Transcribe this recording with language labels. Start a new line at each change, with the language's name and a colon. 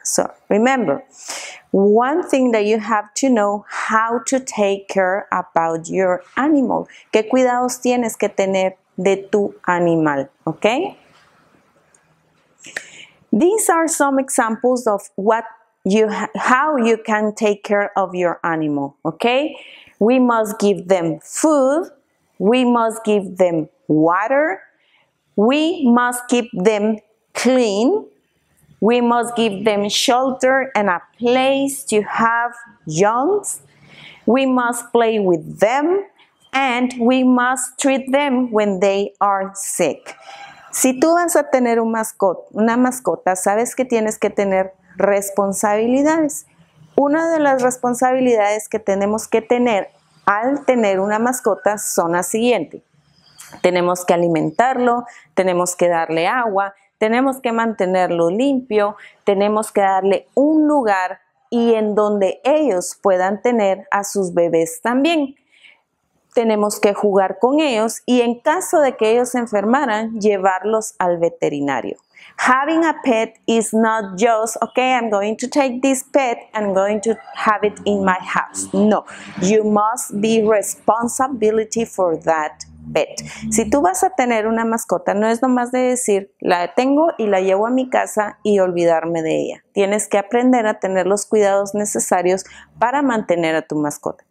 English: So remember, one thing that you have to know how to take care about your animal.
Spanish: ¿Qué cuidados tienes que tener de tu animal?
English: Okay? These are some examples of what you how you can take care of your animal. Okay? We must give them food. We must give them water. We must keep them clean. We must give them shelter and a place to have young. We must play with them and we must treat them when they are sick.
Spanish: Si tú vas a tener una mascota, sabes que tienes que tener responsabilidades. Una de las responsabilidades que tenemos que tener al tener una mascota son las siguientes. Tenemos que alimentarlo, tenemos que darle agua, tenemos que mantenerlo limpio, tenemos que darle un lugar y en donde ellos puedan tener a sus bebés también. Tenemos que jugar con ellos y en caso de que ellos se enfermaran, llevarlos al veterinario.
English: Having a pet is not just, okay, I'm going to take this pet and I'm going to have it in my house. No, you must be responsibility for that pet.
Spanish: Si tú vas a tener una mascota, no es nomás de decir, la tengo y la llevo a mi casa y olvidarme de ella. Tienes que aprender a tener los cuidados necesarios para mantener a tu mascota.